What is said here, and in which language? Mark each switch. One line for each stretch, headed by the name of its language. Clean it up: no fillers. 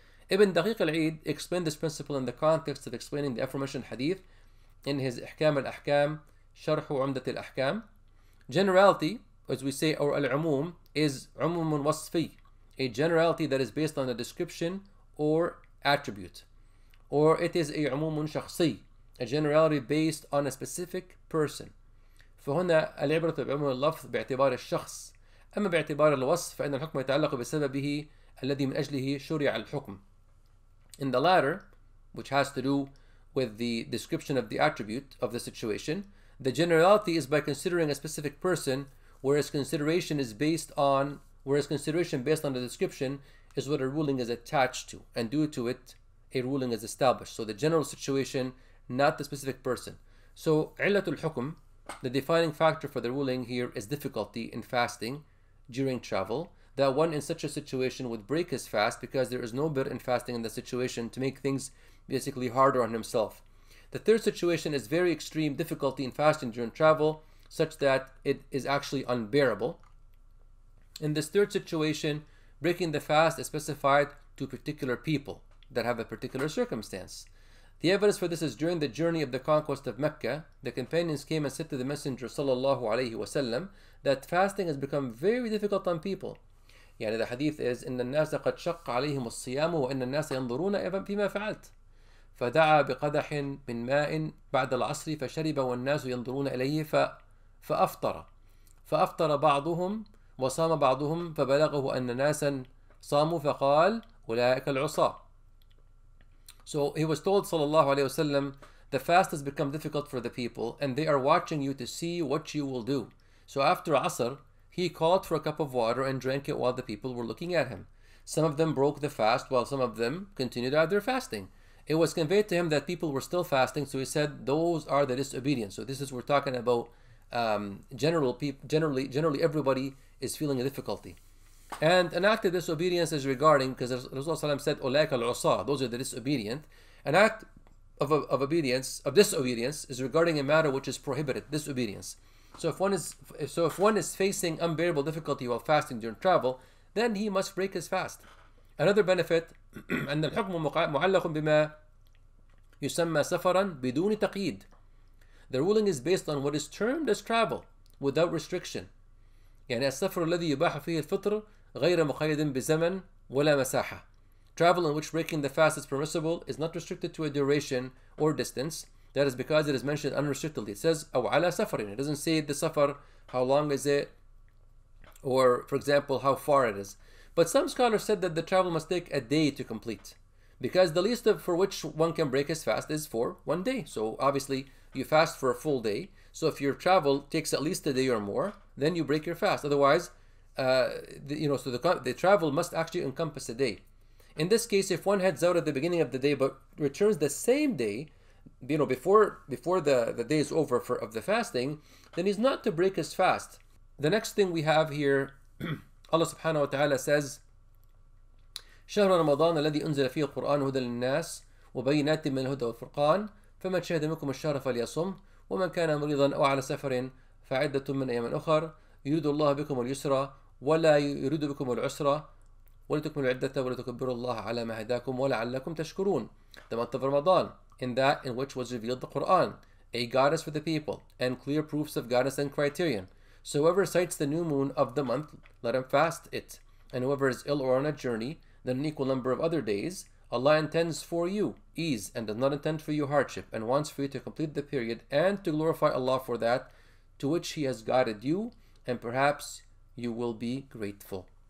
English: Ibn Daqiq al-Eid explained this principle in the context of explaining the aforementioned hadith in his Ihkam al-Ahkam, Sharhu Umdat al-Ahkam. Generality, as we say, or al-umum, is umumun wasfi, a generality that is based on a description or attribute. Or it is a umumun shakhsi, a generality based on a specific person.
Arabic: فهنا العبرة بعموم اللفظ باعتبار الشخص. أما باعتبار الوصف فإن الحكم يتعلق بسببه الذي من أجله شرع الحكم.
English: In the latter, which has to do with the description of the attribute of the situation, the generality is by considering a specific person, whereas consideration based on the description is what a ruling is attached to, and due to it, a ruling is established. So the general situation, not the specific person. So علت الحكم, the defining factor for the ruling here, is difficulty in fasting during travel, that one in such a situation would break his fast because there is no birr in fasting in the situation to make things basically harder on himself. The third situation is very extreme difficulty in fasting during travel, such that it is actually unbearable. In this third situation, breaking the fast is specified to particular people that have a particular circumstance. The evidence for this is during the journey of the conquest of Mecca, the companions came and said to the Messenger sallallahu alayhi wa sallam that fasting has become very difficult on people.
Arabic: يعني
English: the hadith is
Arabic: إن الناس قد شق عليهم الصيام وإن الناس ينظرون فيما فعلت فدعا بقدح من ماء بعد العصر فشرب والناس ينظرون إليه فأفطر بعضهم وصام بعضهم فبلغه أن ناسا صاموا فقال أولئك العصاة.
English: So he was told, sallallahu alayhi wasallam, the fast has become difficult for the people and they are watching you to see what you will do. So after Asr, he called for a cup of water and drank it while the people were looking at him. Some of them broke the fast while some of them continued out their fasting. It was conveyed to him that people were still fasting, so he said, those are the disobedient. So this is, we're talking about generally everybody is feeling a difficulty. And an act of disobedience is regarding, because Rasulullah said,
Arabic: أُولَيْكَ الْعُصَىٰ,
English: those are the disobedient. An act of disobedience is regarding a matter which is prohibited, disobedience. So if one is facing unbearable difficulty while fasting during travel, then he must break his fast. Another benefit,
Arabic: أن الحكم معلق بما يسمى سفرا بدون تقييد.
English: The ruling is based on what is termed as travel, without restriction.
Arabic: يعني السفر الذي يباح فيه الفطر غير مقيد بزمن ولا مساحة.
English: Travel in which breaking the fast is permissible is not restricted to a duration or distance. That is because it is mentioned unrestrictedly. It says,
Arabic: أو على سفر.
English: It doesn't say the سفر, how long is it, or for example, how far it is. But some scholars said that the travel must take a day to complete, because the least for which one can break his fast is for one day. So obviously, you fast for a full day. So if your travel takes at least a day or more, then you break your fast. Otherwise, the travel must actually encompass a day. In this case, if one heads out at the beginning of the day but returns the same day, you know, before the day is over for of the fasting, then he's not to break his fast. The next thing we have here, Allah subhanahu wa ta'ala says,
Arabic: شهر رمضان الذي أنزل فيه القرآن هدى للناس وبينات من الهدى والفرقان فمن شهد منكم الشهر فليصم ومن كان مريضا أو على سفر فعدة من أيام أخر يريد الله بكم اليسر ولا يريد بكم العسر ولتكملوا العدة ولتكبروا الله على ما هداكم ولعلكم تشكرون.
English: The month of Ramadan, in that in which was revealed the Quran, a guidance for the people, and clear proofs of guidance and criterion. So whoever cites the new moon of the month, let him fast it. And whoever is ill or on a journey, then an equal number of other days, Allah intends for you ease and does not intend for you hardship, and wants for you to complete the period and to glorify Allah for that to which He has guided you, and perhaps you will be grateful.